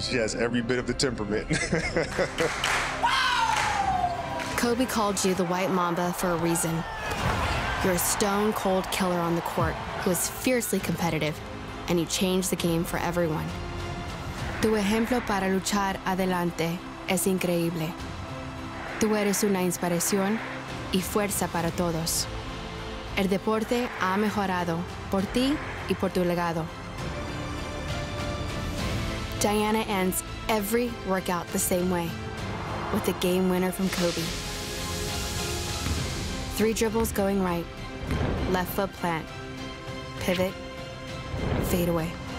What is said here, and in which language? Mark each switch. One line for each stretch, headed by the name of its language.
English: She has every bit of the temperament. Kobe called you the white Mamba for a reason. You're a stone cold killer on the court who is fiercely competitive, and you changed the game for everyone.
Spanish: Tu ejemplo para luchar adelante es increíble. Tú eres una inspiración y fuerza para todos. El deporte ha mejorado por ti y por tu legado.
English: Diana ends every workout the same way, with a game winner from Kobe. Three dribbles going right, left foot plant, pivot, fade away.